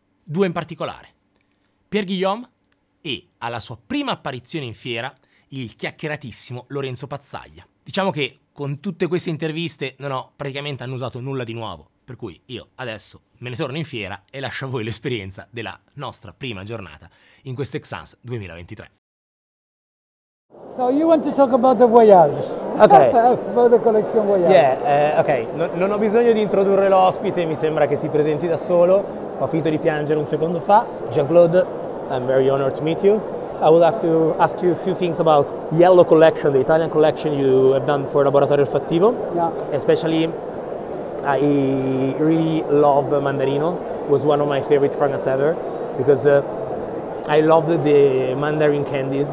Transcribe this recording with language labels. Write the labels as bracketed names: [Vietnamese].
[Italian] Due in particolare, Pierre Guillaume e, alla sua prima apparizione in fiera, il chiacchieratissimo Lorenzo Pazzaglia. Diciamo che con tutte queste interviste non ho praticamente annusato nulla di nuovo, per cui io adesso me ne torno in fiera e lascio a voi l'esperienza della nostra prima giornata in questo Exsence 2023. [English] So you want to talk about the voyage? Okay. About the collection voyage. Yeah, okay. [Italian] Non ho bisogno di introdurre l'ospite, mi sembra che si presenti da solo. Ho finito di piangere un secondo fa. [English] Jean-Claude, I'm very honored to meet you. I would like to ask you a few things about yellow collection, the Italian collection you have done for Laboratorio Olfattivo. Yeah. Especially I really love Mandarino. It was one of my favorite fragrances ever because I love the mandarin candies,